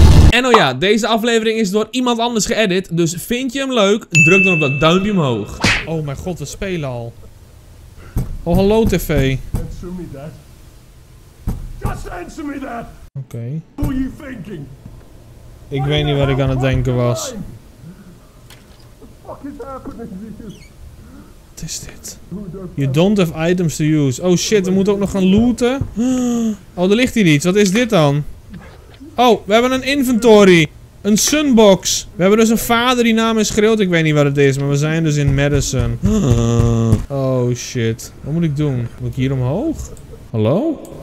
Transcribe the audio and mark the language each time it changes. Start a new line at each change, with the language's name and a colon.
Dutch: En oh ja, deze aflevering is door iemand anders geëdit, dus vind je hem leuk, druk dan op dat duimpje omhoog. Oh mijn god, we spelen al. Oh, hallo TV.
English: Answer me that. Just answer me that!
Dutch: Oké.
English: Okay. What are you thinking?
Dutch: Ik weet niet wat ik aan het denken was.
English: What the fuck is happening here?
Dutch: Wat is dit?
English: You don't have items to use.
Dutch: Oh shit, we moeten ook nog gaan looten. Oh, er ligt hier iets. Wat is dit dan? Oh, we hebben een inventory. Een sunbox. We hebben dus een vader die naam is Schreeuwt. Ik weet niet wat het is, maar we zijn dus in Madison. Oh shit. Wat moet ik doen? Moet ik hier omhoog? Hallo?